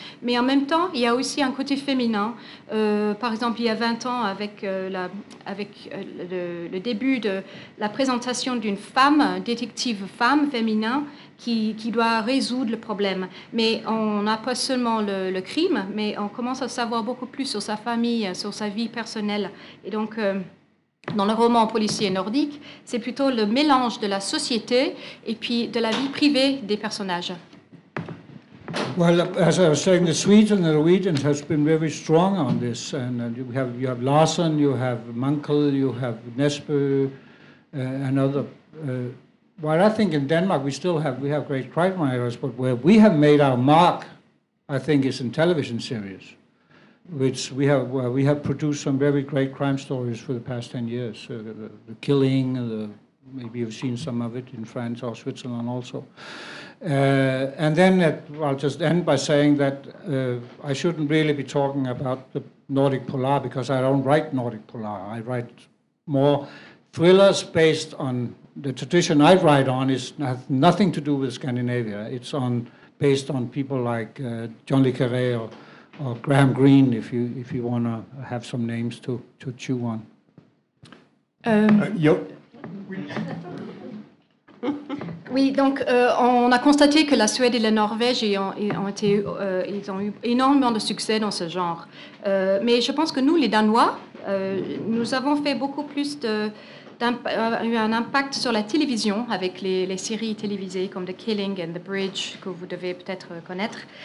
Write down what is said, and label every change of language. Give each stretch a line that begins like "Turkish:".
French: Mais en même temps, il y a aussi un côté féminin. Par exemple, il y a 20 ans, avec le début de la présentation d'une femme, détective femme féminin, qui doit résoudre le problème. Mais on n'a pas seulement le crime, mais on commence à savoir beaucoup plus sur sa famille, sur sa vie personnelle. Et donc... dans le roman policier nordique, c'est plutôt le mélange de la société et puis de la vie privée des personnages.
English: Well, as I was saying, the Swedes and the Norwegians have been very strong on this, and you have Larsson, you have Munkle, you have Nesbø, and other. While I think in Denmark we have great crime writers, but where we have made our mark, I think, is in television series. Which we have produced some very great crime stories for the past 10 years. The Killing, maybe you've seen some of it in France or Switzerland also. I'll just end by saying that I shouldn't really be talking about the Nordic Polar because I don't write Nordic Polar. I write more thrillers based on the tradition I write on has nothing to do with Scandinavia. It's based on people like John le Carré or Graham Greene, if you want to have some names to chew on.
French: Oui, donc on a constaté que la Suède et la Norvège ont eu énormément de succès dans ce genre. Mais je pense que nous, les Danois, nous avons fait beaucoup plus eu un impact sur la télévision avec les séries télévisées comme The Killing and The Bridge que vous devez peut-être connaître.